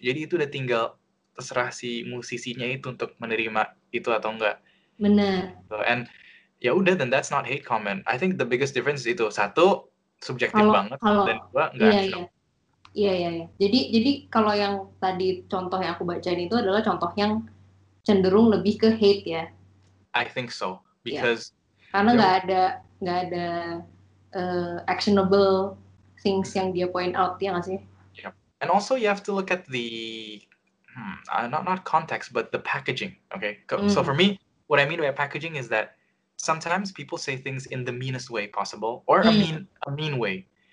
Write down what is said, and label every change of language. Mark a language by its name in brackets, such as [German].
[Indonesian] Jadi itu udah tinggal terserah si musisinya itu untuk menerima itu atau enggak. Benar. [English] So, and [Indonesian] ya udah, [English] then that's not hate comment. I think the biggest difference [Indonesian] itu satu subjektif banget, dan dua enggak. Iya. Jadi kalau yang tadi contoh yang aku bacain itu adalah contoh yang cenderung lebih ke hate ya. [English] I think so, because [Indonesian] karena nggak ada actionable things yang dia point out, ya nggak sih? [English] Yeah. And also you have to look at the not context but the packaging. Okay. So for me, what I mean by packaging is that sometimes people say things in the meanest way possible or a mean way.